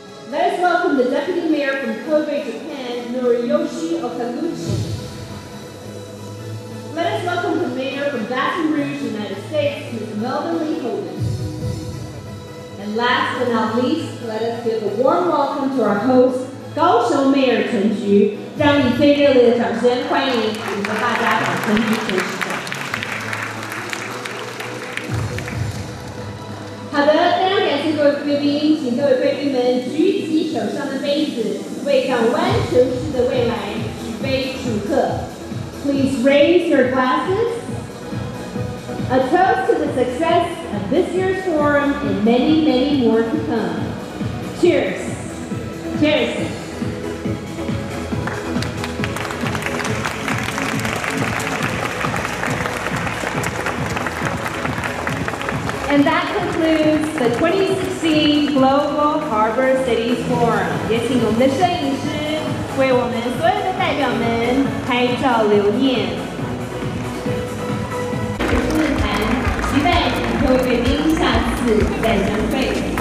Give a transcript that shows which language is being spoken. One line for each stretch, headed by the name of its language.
English: Let us welcome the deputy mayor from Kobe, Japan, Noriyoshi Okaguchi. Let us welcome the mayor from Baton Rouge, United States, Ms. Melvin Lee Hogan. And last but not least, let us give a warm welcome to our host, Kaohsiung Mayor Chen Xu.
Chinese: 让你最热烈的掌声欢迎我们大家的陈菊陈市长。好的，非常感谢各位贵宾，请各位贵宾们举起手上的杯子，为港湾城市的未来举杯祝贺。
English: Please raise your glasses. A toast to the success of this year's forum and many, many more to come. Cheers. Cheers. And that concludes the 2016 Global Harbor Cities Forum.
Chinese: 也请我们的摄影师为我们所有的代表们拍照留念。我是日韩，期待各位贵宾下次再相会。